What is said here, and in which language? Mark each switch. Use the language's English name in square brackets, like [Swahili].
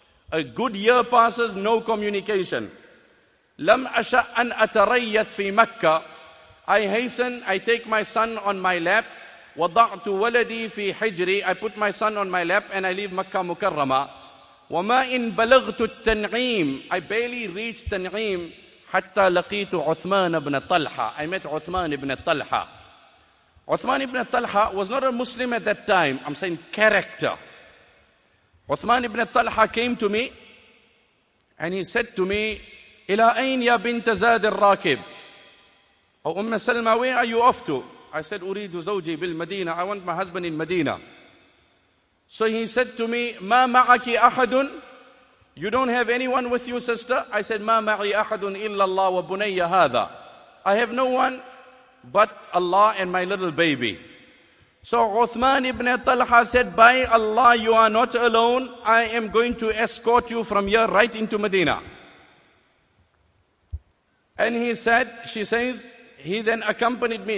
[English] A good year passes, no communication. [Arabic] لم أشاء أن أتريث في مكة. [English] I hasten, I take my son on my lap. [Arabic] وضعت ولدي في حجري. [English] I put my son on my lap and I leave Makkah Mukarramah. [Arabic] وما إن بلغت التنعيم. [English] I barely reached تنعيم [Arabic] حتى لقيت [English] عثمان بن طلحة. I met عثمان بن طلحة. عثمان بن طلحة was not a Muslim at that time. I'm saying character. عثمان بن طلحة came to me and he said to me, [Arabic] إلى أين يا بنت زاد الراكب؟ أو أم سلمة, [English] where are you off to? I said, [Arabic] أريد زوجي بالمدينة. [English] I want my husband in مدينة. So he said to me, [Arabic] ما معك أحد؟ [English] You don't have anyone with you, sister? I said, [Arabic] ما معي أحد إلا الله وبني هذا. [English] I have no one but Allah and my little baby. So عثمان بن طلحة said, by Allah, you are not alone. I am going to escort you from here right into مدينة. And he said, she says, he then accompanied me.